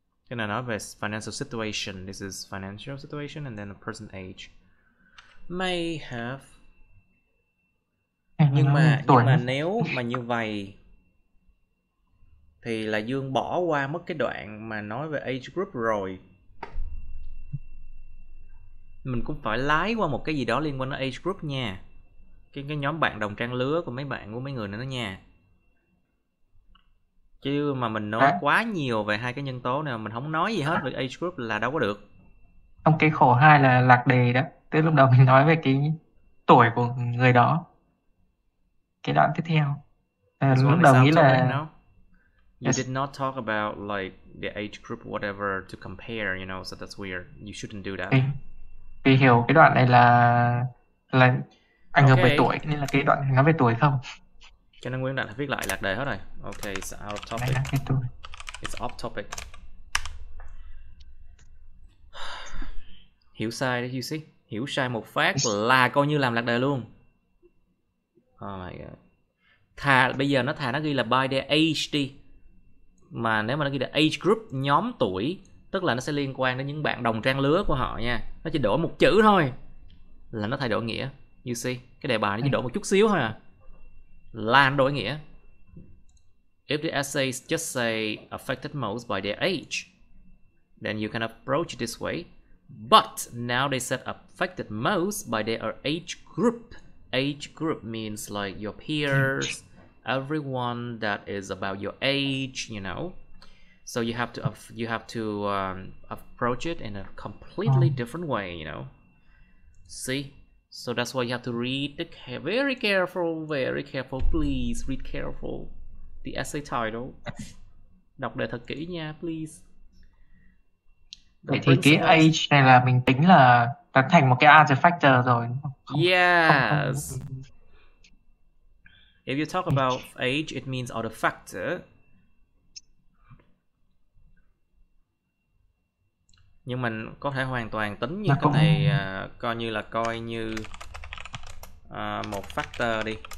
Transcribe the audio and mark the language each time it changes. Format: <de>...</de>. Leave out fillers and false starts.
<vi>Cái này nói về</vi> <en>financial situation. This is financial situation and then a person age. May have.</en> <vi>Nhưng mà nếu mà như vậy thì là Dương bỏ qua mất cái đoạn mà nói về age group rồi. Mình cũng phải lái qua một cái gì đó liên quan đến age group nha. Cái nhóm bạn đồng trang lứa của mấy bạn, của mấy người nữa đó nha. Chứ mà mình nói quá nhiều về hai cái nhân tố này mà mình không nói gì hết về age group là đâu có được. Không, cái khổ hai là lạc đề đó. Tức lúc đầu mình nói về cái tuổi của người đó. Cái đoạn tiếp theo. Lúc đầu nghĩ là...</vi> <en>You did not talk about like the age group whatever to compare, you know, so that's weird. You shouldn't do that.</en> <vi>Vì hiểu cái đoạn này là ảnh hưởng về tuổi, nên là cái đoạn này nói về tuổi không? Cho nên nguyên đoạn là viết lại lạc đề hết rồi.</vi> <en>Okay, it's out of topic. It's off topic.</en> <vi>Hiểu sai đấy,</vi> <en>you see?</en> <vi>Hiểu sai một phát là coi như làm lạc đề luôn.</vi> <en>Oh my god.</en> <vi>Thà, bây giờ nó thà nó ghi là</vi> <en>by the age</en> <vi>đi. Mà nếu mà nó ghi là age group, nhóm tuổi, tức là nó sẽ liên quan đến những bạn đồng trang lứa của họ nha. Nó chỉ đổi một chữ thôi là nó thay đổi nghĩa.</vi> <en>You see?</en> <vi>Cái đề bài nó chỉ đổi một chút xíu thôi à. Là đổi nghĩa.</vi> <en>If the essays just say affected most by their age, then you can approach it this way. But now they said affected most by their age group. Age group means like your peers, everyone that is about your age, you know. So you have to approach it in a completely different way, you know. See? So that's why you have to read the very careful, please read careful the essay title.</en> <vi>Đọc đề thật kỹ nha,</vi> <en>please.</en> <vi>Vậy thì cái age này là mình tính là đã thành một cái</vi> <en>as a factor</en> <vi>rồi. Không,</vi> <en>yes.</en> <vi>Không.</vi> <en>If you talk about age, it means other factor.</en> <vi>Nhưng mình có thể hoàn toàn tính như cái này coi như là một factor đi.</vi>